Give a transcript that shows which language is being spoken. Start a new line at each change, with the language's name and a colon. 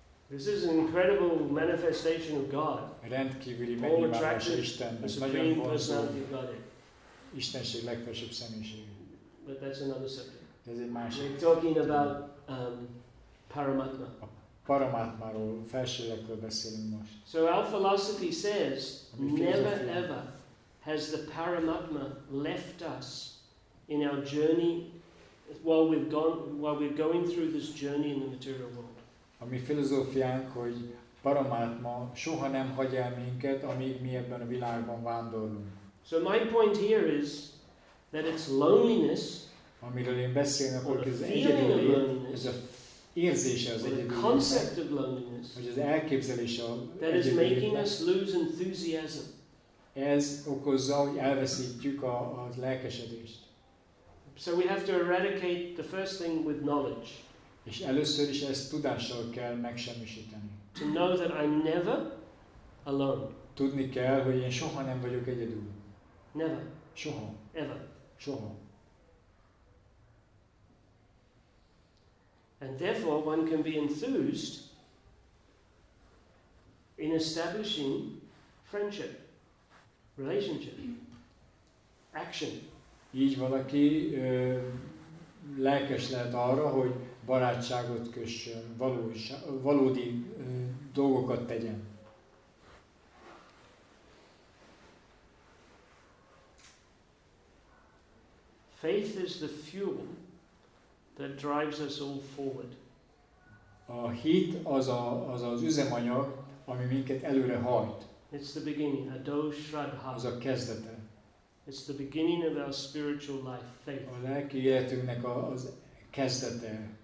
English: This is an incredible manifestation of God.
Hungarian: Rendkívüli megnyilvánulása Istennek, nagyon vonzó. Istenség legfelsőbb személyisége.
English: But that's another subject.
Hungarian: Ez egy másik.
English: We're talking about Paramatma.
Hungarian: A Paramatmáról, felsőlegről beszélünk most.
English: So our philosophy says, never ever has the Paramatma left us in our journey while we're going through this journey in the material world.
Hungarian: A mi filozófiánk, hogy Paramatma soha nem hagy el minket, amíg mi ebben a világban vándorlunk.
English: So my point here is that it's loneliness.
Hungarian: Amiről én beszélnek, hogy ez egyedüllét, ez a érzése az egyedüllét, hogy az elképzelése az egyedüllét. Ez okozza, hogy elveszítjük a lelkesedést.
English: So we have to eradicate the first thing with knowledge.
Hungarian: És először is ezt tudással kell megsemmisíteni.
English: To know that I'm never alone.
Hungarian: Tudni kell, hogy én soha nem vagyok egyedül.
English: Never.
Hungarian: Soha.
English: Ever.
Hungarian: Soha.
English: And therefore one can be enthused in establishing friendship, relationship, action.
Hungarian: Így valaki lelkes lehet arra, hogy barátságot kössön, valódi dolgokat tegyen.
English: Faith is the fuel that drives us all forward.
Hungarian: A hit az az üzemanyag, ami minket előre hajt.
English: It's the beginning, ado shraddha.
Hungarian: Az a kezdete.
English: It's the beginning of our spiritual life, faith.
Hungarian: A lelki életünknek az kezdete.